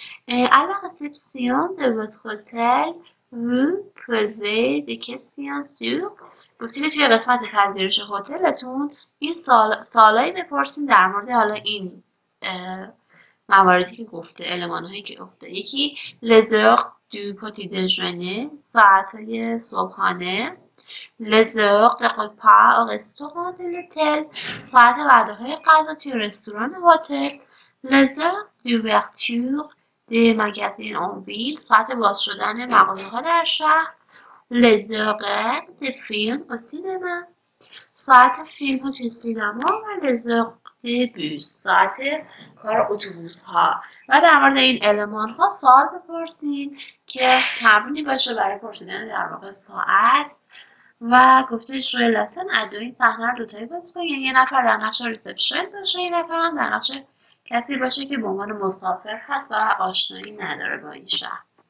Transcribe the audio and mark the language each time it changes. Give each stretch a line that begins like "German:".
French: على réception de votre hôtel vous posez des questions sur،
Persian: گفتید توی قسمت پذیرش هتلتون این سوالایی بپرسید در مورد حالا این مواردی که گفته، المانهایی که گفته.
French: یکی les heures du petit déjeuner،
Persian: ساعت های صبحانه.
French: Les heures de repas au restaurant de l'hôtel،
Persian: ساعت وعده های غذا توی رستوران هتل.
French: Les heures d'ouverture des magasins en ville،
Persian: ساعت باز شدن مغازه ها در شهر.
French: Les heures de film au cinéma،
Persian: ساعت فیلم ها توی سینما. و
French: les heures de bus،
Persian: ساعت کار اتوبوس ها. و در مورد این المان ها سوال بپرسین که تمرینی باشه برای پرسیدن در واقع ساعت. و گفته شوی لسن ادو این صحنه رو دوتایی باز کن، یعنی یه نفر در نقش ریسپشن باشه، یه نفر هم در نقش کسی باشه که به عنوان مسافر هست و آشنایی نداره با این شهر.